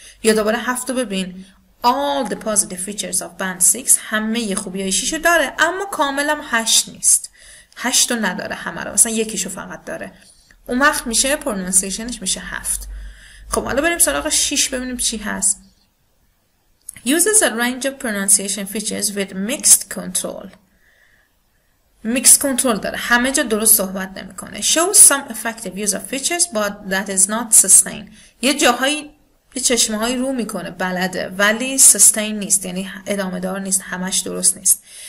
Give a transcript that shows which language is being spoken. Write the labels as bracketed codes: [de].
[fa] یا دوباره 7 رو ببین، [en] all the positive features of band 6 [fa] همه ی خوبی‌های 6 رو داره، اما کاملا 8 نیست، 8 رو نداره همه رو، مثلا یکیشو فقط داره. اون وقت میشه پرونانسیشنش میشه 7. خب حالا بریم سراغ 6 ببینیم چی هست. [en] uses a range of pronunciation features with mixed control. [fa] Mixed control داره، همه جا درست صحبت نمی کنه. [en] Shows some effective use of features but that is not sustained. [fa] یه جاهایی یه چشمه هایی رو میکنه، بلده، ولی sustained نیست، یعنی ادامه دار نیست، همش درست نیست.